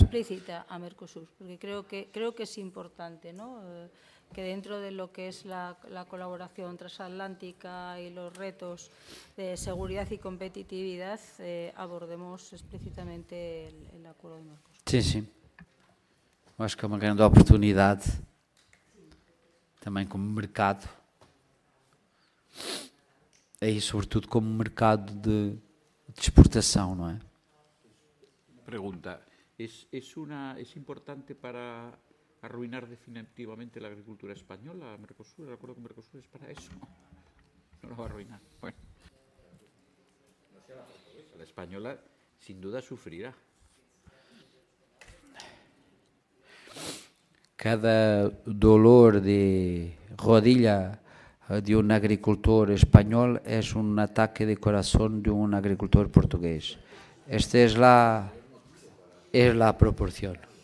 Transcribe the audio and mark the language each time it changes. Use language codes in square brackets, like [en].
[es] Explícita a Mercosur, porque creo que es importante, ¿no? Que dentro de lo que es la colaboración transatlántica y los retos de seguridad y competitividad, abordemos explícitamente el acuerdo de Mercosur. Sí, sí. [pt] Acho que é uma grande oportunidade, também como mercado, e sobretudo como mercado de exportação, não é? Pergunta, é importante para arruinar definitivamente a agricultura espanhola, a Mercosur, o acordo com o Mercosur é para isso? Não vai arruinar, bueno. A espanhola, sem dúvida, sofrerá. [es] Cada dolor de rodilla de un agricultor español es un ataque de corazón de un agricultor portugués. Esta es la proporción.